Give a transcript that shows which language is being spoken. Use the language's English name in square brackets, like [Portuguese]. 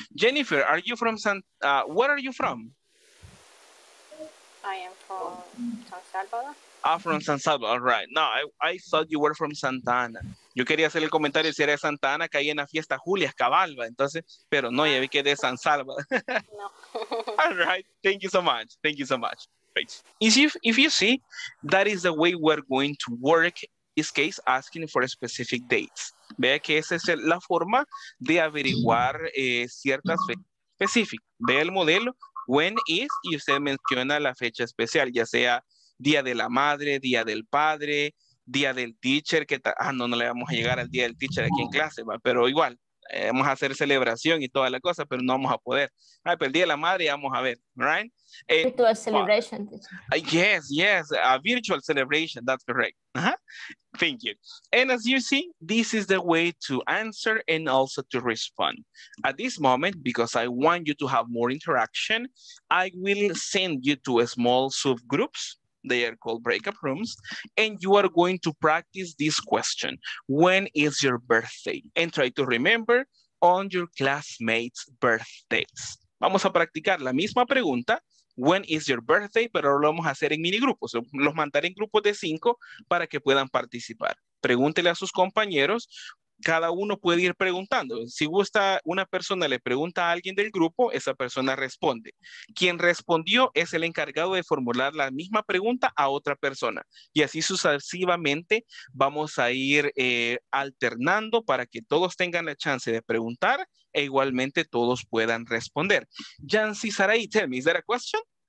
[English] Jennifer, are you from where are you from? I am from San Salvador. Ah, from San Salvador, all right. No, I thought you were from Santa Ana. [Spanish] Yo quería hacer el comentario si era de Santa Ana, caí en la fiesta Julia Escabalba, entonces, pero no, ya vi que de San Salvador. No. [English] All right, thank you so much, thank you so much. If you see, that is the way we're going to work this case, asking for specific dates. [Spanish] Vea que esa es la forma de averiguar ciertas fechas específicas. Vea el modelo, when is, y usted menciona la fecha especial, ya sea día de la madre, día del padre, día del teacher, que no le vamos a llegar al día del teacher aquí en clase, ¿va? Pero igual, vamos a hacer celebración y toda la cosa, pero no vamos a poder. Ay, pero el día de la madre ya vamos a ver, right? [English] Virtual celebration. Yes, yes, a virtual celebration, that's correct. Uh-huh. Thank you. And as you see, this is the way to answer and also to respond. At this moment, because I want you to have more interaction, I will send you to a small subgroups. They are called breakup rooms, and you are going to practice this question. When is your birthday? And try to remember on your classmates' birthdays. [Spanish] Vamos a practicar la misma pregunta. [English] When is your birthday? [Spanish] Pero lo vamos a hacer en mini grupos. Los mandaré en grupos de 5 para que puedan participar. Pregúntele a sus compañeros. Cada uno puede ir preguntando. Si gusta, una persona le pregunta a alguien del grupo, esa persona responde. Quien respondió es el encargado de formular la misma pregunta a otra persona. Y así sucesivamente vamos a ir alternando para que todos tengan la chance de preguntar e igualmente todos puedan responder. [English] Yancy Sarai, tell me, is there a question?